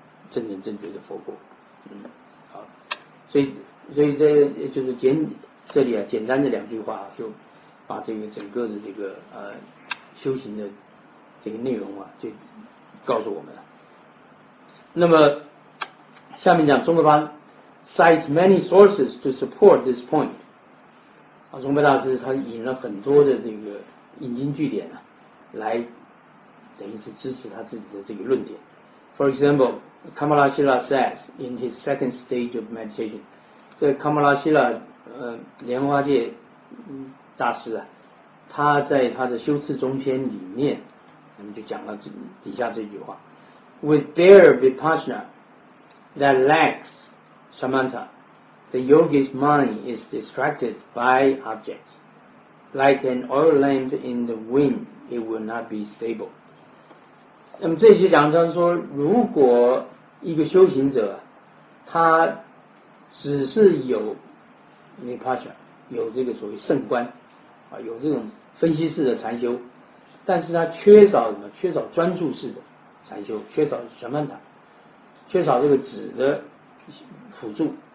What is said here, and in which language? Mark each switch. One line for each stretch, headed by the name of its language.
Chinese: 正人正觉的佛果。嗯，好，所以这就是这里啊，简单的两句话、啊、就把这个整个的这个修行的这个内容啊，就告诉我们了。那么下面讲宗喀巴
English: cites many sources to support this point。
Chinese: 啊，宗喀巴大师他引了很多的这个引经据典啊，来等于是支持他自己的这个论点。
English: For example, Kamalashila says in his second stage of meditation，
Chinese: 这个 Kamalashila 莲花界大师啊，他在他的修持中篇里面，我们就讲了底下这句话
English: ：With their vipassana that lacks samatha, the yogi's mind is distracted by objects, like an oil lamp in the wind, it will not be stable。
Chinese: 那么这些讲章说，如果一个修行者他只是有 vipassana， 有这个所谓圣观啊，有这种分析式的禅修，但是他缺少什么？缺少专注式的禅修，缺少什么呢？缺少这个止的辅助。